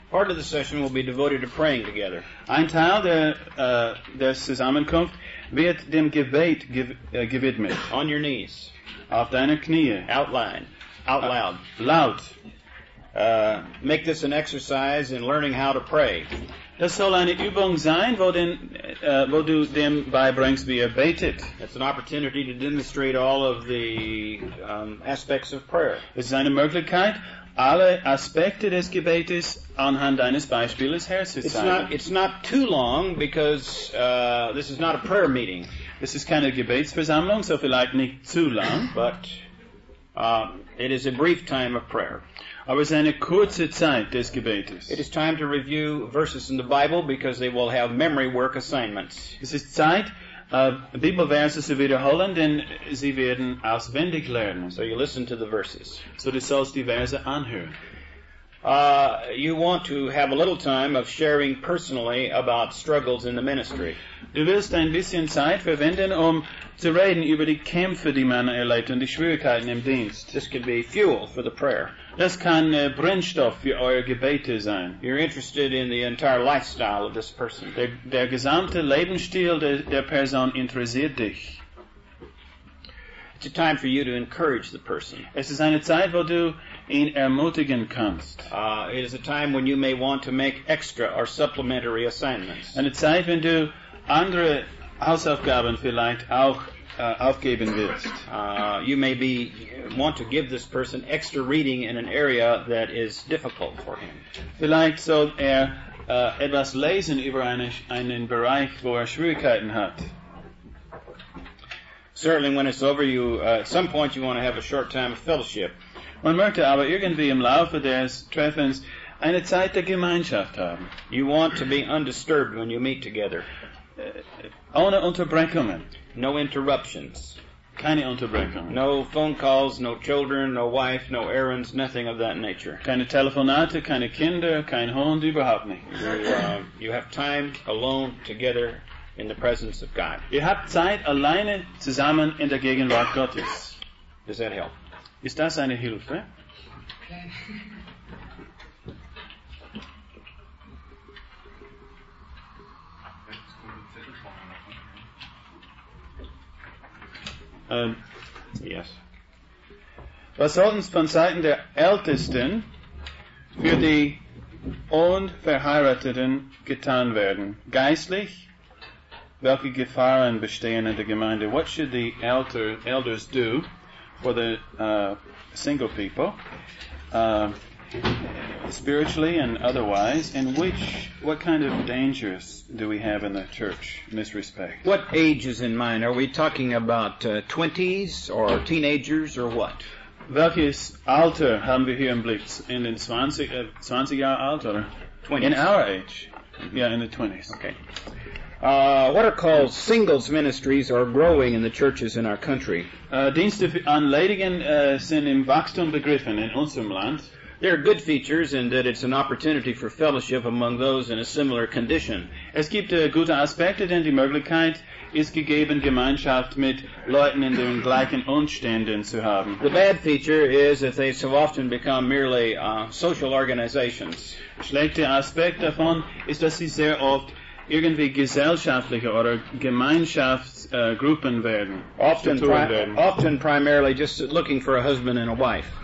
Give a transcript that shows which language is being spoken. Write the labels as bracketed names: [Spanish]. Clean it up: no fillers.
[English] Part of the session will be devoted to praying together. [German] Ein Teil der Zusammenkunft wird dem Gebet gewidmet. [English] On your knees. [German] Auf deine Knie. [English] Outline. Out loud. [German] Laut. [English] Make this an exercise in learning how to pray. [German] Das soll eine Übung sein, wo du dem beibringst, wie er betet. [English] It's an opportunity to demonstrate all of the aspects of prayer. [German] Es ist eine Möglichkeit, alle Aspekte des Gebetes anhand eines Beispiels herzuzeigen. [English] It's not too long, because this is not a prayer meeting. This is kind of [German] Gebetsversammlung, so vielleicht nicht zu lang. [English] But it is a brief time of prayer. [German] Aber es ist eine kurze Zeit des Gebetes. [English] It is time to review verses in the Bible, because they will have memory work assignments. [German] Es ist Zeit, Bibelverse zu wiederholen, denn sie werden auswendig lernen. [English] So you listen to the verses. [German] So du sollst die Verse anhören. [English] you want to have a little time of sharing personally about struggles in the ministry. [German] Du willst ein bisschen Zeit verwenden, um zu reden über die Kämpfe, die man erlebt und die Schwierigkeiten im Dienst. [English] This could be fuel for the prayer. [German] Das kann Brennstoff für eure Gebete sein. [English] You're interested in the entire lifestyle of this person. [German] Der gesamte Lebensstil der Person interessiert dich. [English] It's a time for you to encourage the person. [German] Es ist eine Zeit, wo du ihn ermutigen kannst. [English] It is a time when you may want to make extra or supplementary assignments. [German] Eine Zeit, wenn du andere Hausaufgaben vielleicht auch aufgeben willst. [English] You may be want to give this person extra reading in an area that is difficult for him. [German] Vielleicht soll er etwas lesen über einen Bereich, wo er Schwierigkeiten hat. [English] Certainly when it's over, you at some point you want to have a short time of fellowship. [German] Man möchte aber irgendwie im Laufe des Treffens eine Zeit der Gemeinschaft haben. [English] You want to be undisturbed when you meet together. [German] Ohne Unterbrechungen. [English] No interruptions. [German] Keine Unterbrechungen. [English] No phone calls, no children, no wife, no errands, nothing of that nature. [German] Keine Telefonate, keine Kinder, kein Hund, überhaupt nicht. [English] You have time alone together in the presence of God. [German] Ihr habt Zeit alleine zusammen in der Gegenwart Gottes. [English] Does that help? [German] Ist das eine Hilfe? [English] Okay. Yes. [German] Was sollten von Seiten der Ältesten für die Unverheirateten getan werden? Geistlich? Welche Gefahren bestehen in der Gemeinde? [English] What should the elders do for the single people, spiritually and otherwise? And what kind of dangers do we have in the church in this respect? What age is in mind? Are we talking about 20s or teenagers or what? [German] Welches Alter haben wir hier im Blick? In den 20 Jahre Alter? [English] 20s. In our age? Yeah, in the 20s. Okay. What are called singles ministries are growing in the churches in our country. [German] Dienste an Ledigen sind im Wachstum begriffen in unserem Land. [English] There are good features in that it's an opportunity for fellowship among those in a similar condition. [German] Es gibt gute Aspekte, denn die Möglichkeit ist gegeben, Gemeinschaft mit Leuten in den gleichen Umständen zu haben. [English] The bad feature is that they so often become merely social organizations. [German] Schlechte Aspekt davon ist, dass sie sehr oft irgendwie gesellschaftliche oder Gemeinschaftsgruppen werden. [English] Often primarily just looking for a husband and a wife.